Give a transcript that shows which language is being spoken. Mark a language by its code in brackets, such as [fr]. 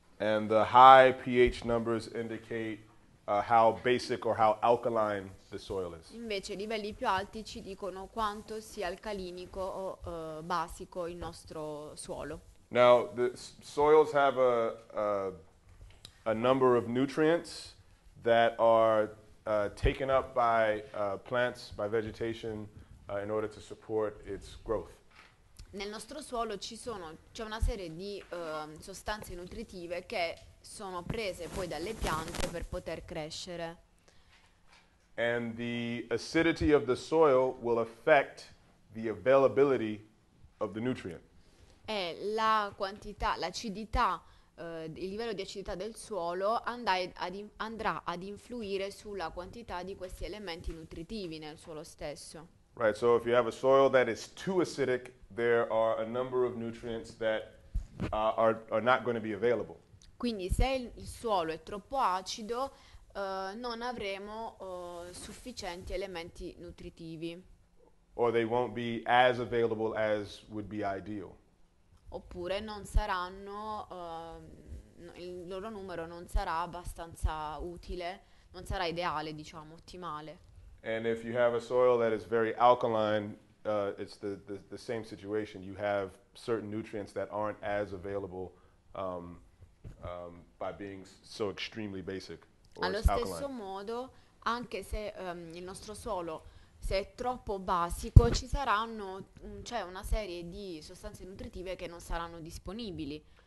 [en] And the high pH numbers indicate how basic or how alkaline the soil is. [it] Invece i livelli più alti ci dicono quanto sia alcalinico o basico il nostro suolo. [en] Now, the soils have a number of nutrients that are taken up by plants, by vegetation, in order to support its growth. [it] Nel nostro suolo c'è una serie di sostanze nutritive che sono prese poi dalle piante per poter crescere. [en] And the acidity of the soil will affect the availability of the nutrient. [it] E la quantità, l'acidità, il livello di acidità del suolo andrà ad influire sulla quantità di questi elementi nutritivi nel suolo stesso. [en] Right, so if you have a soil that is too acidic, there are a number of nutrients that are not going to be available. [it] Quindi se il suolo è troppo acido, non avremo sufficienti elementi nutritivi. Oppure [en] Or they won't be as available as would be ideal. [it] non saranno, il loro numero non sarà abbastanza utile, non sarà ideale, diciamo, ottimale. [en] And if you have a soil that is very alkaline, it's the same situation. You have certain nutrients that aren't as available by being so extremely basic or [it] Allo stesso [en] alkaline. [it] modo, anche se il nostro suolo se è troppo basico, ci saranno cioè una serie di sostanze nutritive che non saranno disponibili.